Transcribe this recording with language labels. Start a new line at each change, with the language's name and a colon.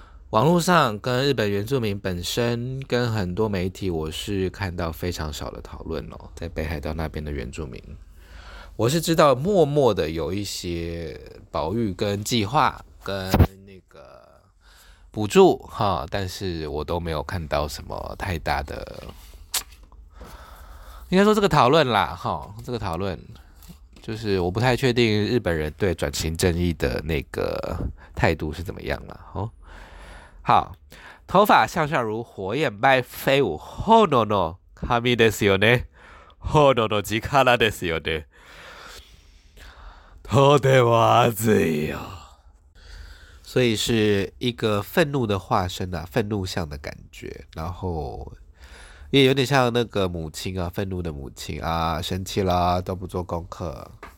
Chinese: 网络上跟日本原住民本身跟很多媒体，我是看到非常少的讨论哦，在北海道那边的原住民，我是知道默默的有一些保育跟计划跟那个补助哈，但是我都没有看到什么太大的，应该说这个讨论啦哈，这个讨论就是我不太确定日本人对转型正义的那个态度是怎么样了哦。好，头发向上如火焰般飞舞。
English: Oh no no，
Japanese: 神ですよね。 Oh no no，力ですよね。とても熱いよ。
Chinese: 所以是一个愤怒的化身啊，愤怒像的感觉，然后也有点像那个母亲啊，愤怒的母亲啊，生气啦，都不做功课。